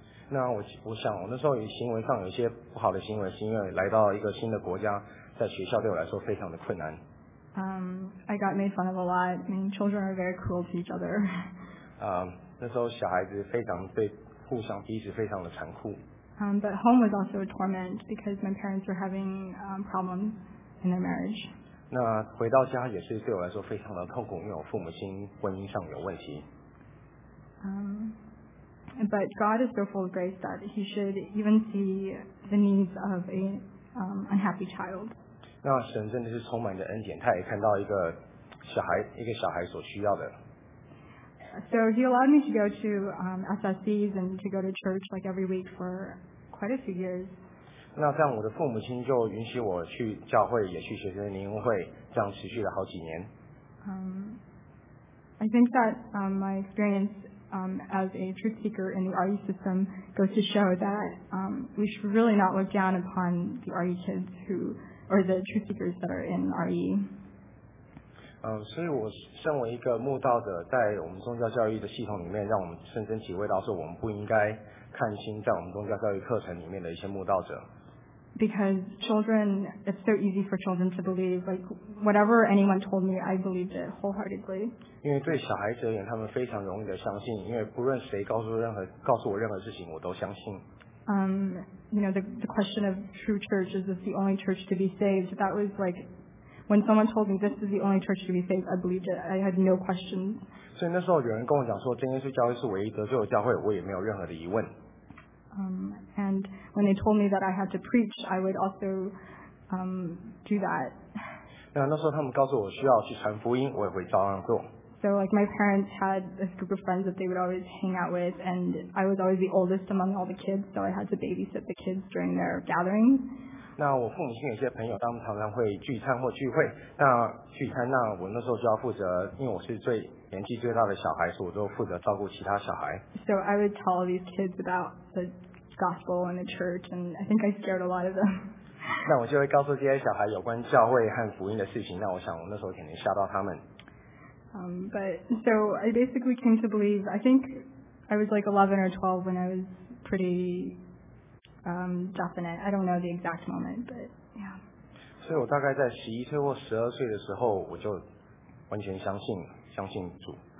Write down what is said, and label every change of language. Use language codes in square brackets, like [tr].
[zh] 那我想我那时候有行为上有一些不好的行为，是因为来到一个新的国家，在学校对我来说非常的困难。 [en] I got made fun of a lot. I mean, children are very cruel to each other. [zh] 那时候小孩子非常对互相彼此非常的残酷。 [en] But home was also a torment because my parents were having problems in their marriage. [zh] 那回到家也是对我来说非常的痛苦，因为我父母亲婚姻上有问题。 [en] But God is so full of grace that He should even see the needs of an unhappy child. [zh] 那神真的是充满着恩典，他也看到一个小孩所需要的。 [en] So he allowed me to go to SSCs and to go to church like every week for quite a few years. [zh] 那这样我的父母亲就允许我去教会，也去学生灵恩会，这样持续了好几年。 [en] I think that my experience as a truth seeker in the RE system goes to show that we should really not look down upon the RE kids who or the truth seekers that are in RE. [zh] 所以我身为一个慕道者，在我们宗教教育的系统里面，让我们深深体会到说，我们不应该看轻在我们宗教教育课程里面的一些慕道者。 [en] Because children, it's so easy for children to believe, like whatever anyone told me, I believed it wholeheartedly. [zh] 因为对小孩子而言，他们非常容易的相信，因为不论谁告诉我任何事情，我都相信。 [en] You know, the question of true church, is this the only church to be saved? That was like, when someone told me this is the only church to be saved, I believed it. I had no questions. [zh] 所以那时候有人跟我讲说，真耶稣教会是唯一得救的教会，我也没有任何的疑问。 [en] And when they told me that I had to preach, I would also do that. [zh] 那时候他们告诉我需要去传福音，我也会照样做。 [en] So like my parents had this group of friends that they would always hang out with, and I was always the oldest among all the kids, so I had to babysit the kids during their gatherings. [zh] 那我父母亲有些朋友，他们常常会聚餐或聚会。那聚餐那我那时候就要负责，因为我是最年纪最大的小孩，所以我就负责照顾其他小孩。 [en] So I would tell all these kids about the gospel and the church, and I think I scared a lot of them. [zh] 那我就会告诉这些小孩有关教会和福音的事情。那我想我那时候肯定吓到他们。 [en] But so I basically came to believe, I think I was like 11 or 12 when I was pretty definite. I don't know the exact moment, but yeah. [zh] 所以我大概在11岁或12岁的时候，我就完全相信主。